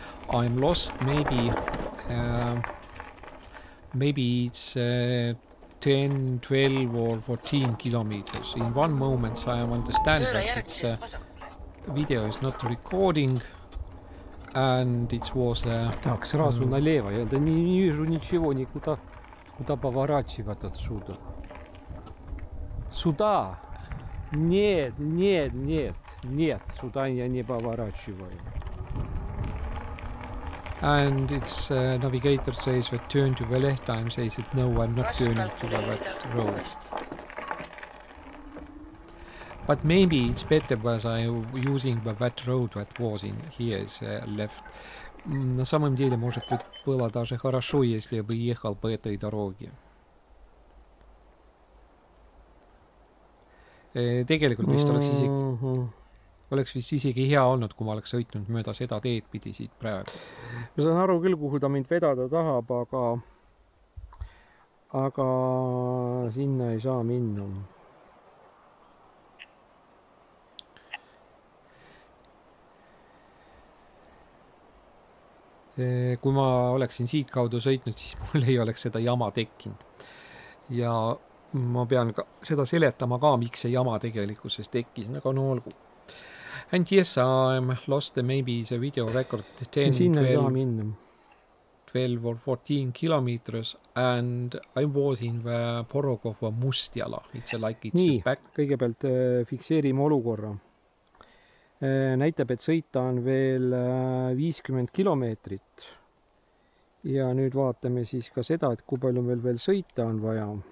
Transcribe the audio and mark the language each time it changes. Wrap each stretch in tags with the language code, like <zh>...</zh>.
<en>I'm lost, maybe, maybe it's 10, 12 or 14 kilometers. In one moment I understand that it's video is not recording and it was...</en> <ru>Так, сразу налево, я да не вижу ничего никуда. Куда поворачивать отсюда? Сюда? Нет, нет, нет, нет, сюда я не поворачиваю.</ru> <en>And its navigator says that turn to the left, I'm says that no, I'm not turning to the right road. But maybe it's better as I'm using the right road that was in here is left.</en> <ru>На самом деле, может быть, было даже хорошо, если бы ехал по этой дороге.</ru> <et>Tegelikult vist oleks isegi... Oleks vist isegi hea olnud, kui ma oleks sõitnud mööda seda teed pidi siit praegu. Ma saan aru küll, kuhu ta mind vedada tahab, aga sinna ei saa minna. kui ma oleksin siit kaudu sõitnud, siis mul ei oleks seda jama tekinud. Ja ma pean ka seda seletama ka, miks see jama tegelikkuses tekis, aga no olgu.</et> <en>And yes, I'm lost maybe the video record 10, 12 or 14 kilometers and I was in the Porogova Mustjala. It's like it's</en> <et>nii,</et> <en>back.</en> <et>Kõigepealt fikseerime olukorra. Näitab, et sõita on veel 50 kilometrit. Ja nüüd vaatame siis ka seda, et kui palju meil veel sõita on vaja.</et>